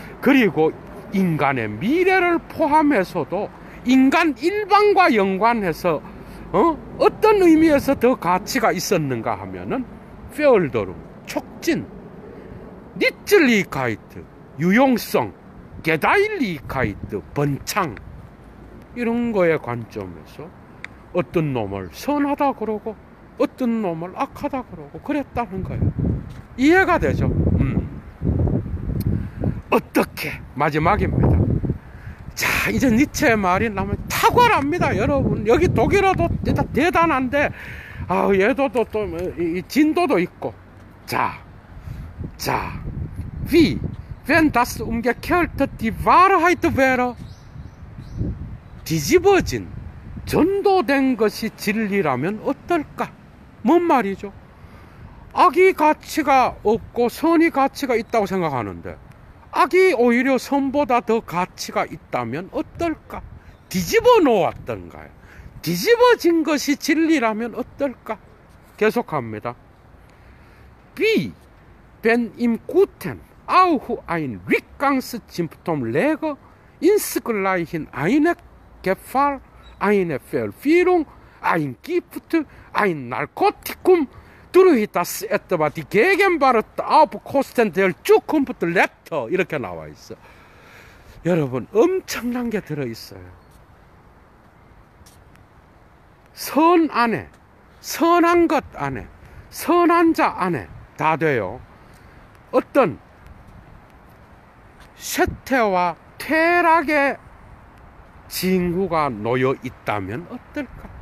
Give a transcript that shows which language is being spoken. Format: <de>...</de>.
<ko>그리고 인간의 미래를 포함해서도 인간 일반과 연관해서 어떤 의미에서 더 가치가 있었는가 하면은 페올더룽, 촉진, 니찔리히카이트, 유용성, 게다일리히카이트, 번창 이런 거에 관점에서 어떤 놈을 선하다 그러고 어떤 놈을 악하다 그러고 그랬다는 거예요. 이해가 되죠? 어떻게? 마지막입니다. 자, 이제 니체의 말이 나면 탁월합니다, 여러분. 여기 독일어도 대단한데, 얘도도 또, 진도도 있고. 자.</ko> <de>Wie, wenn das umgekehrte die Wahrheit wäre,</de> <ko>뒤집어진, 전도된 것이 진리라면 어떨까? 뭔 말이죠? 악이 가치가 없고 선이 가치가 있다고 생각하는데 악이 오히려 선보다 더 가치가 있다면 어떨까? 뒤집어 놓았던가요? 뒤집어진 것이 진리라면 어떨까? 계속합니다.</ko> <de>Wie, wenn im Guten auch ein Rückgangssymptom läge, insgleichen eine Gefahr, eine Verführung, ein Gift, ein Narkotikum, durch das etwa die Gegenwart auf Kosten der Zukunft letter.</de> <ko>이렇게 나와 있어. 여러분, 엄청난 게 들어있어요. 선 안에, 선한 것 안에, 선한 자 안에 다 돼요. 어떤 쇠퇴와 퇴락의 징후가 놓여 있다면 어떨까?</ko>